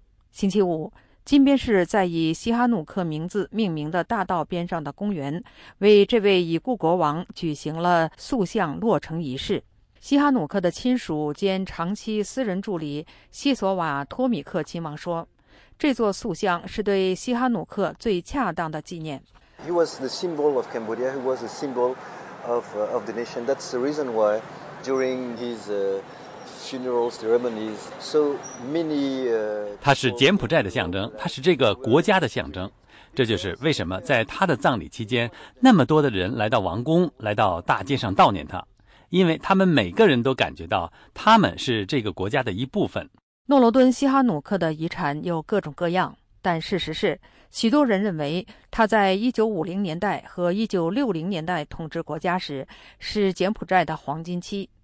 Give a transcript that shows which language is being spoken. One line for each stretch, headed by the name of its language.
Chinese: 星期五，金边市在以西哈努克名字命名的大道边上的公园，为这位已故国王举行了塑像落成仪式。西哈努克的亲属兼长期私人助理西索瓦托米克亲王说，这座塑像是对西哈努克最恰当的纪念。
English: He was the symbol of Cambodia, he was the symbol of the nation. That's the reason why during his funeral ceremonies, so many.
Chinese: 他是柬埔寨的象征，他是这个国家的象征。这就是为什么在他的葬礼期间，那么多的人来到王宫，来到大街上悼念他。因为他们每个人都感觉到他们是这个国家的一部分。诺罗敦·西哈努克的遗产有各种各样，但事实是，许多人认为他在1950年代和1960年代统治国家时是柬埔寨的黄金期。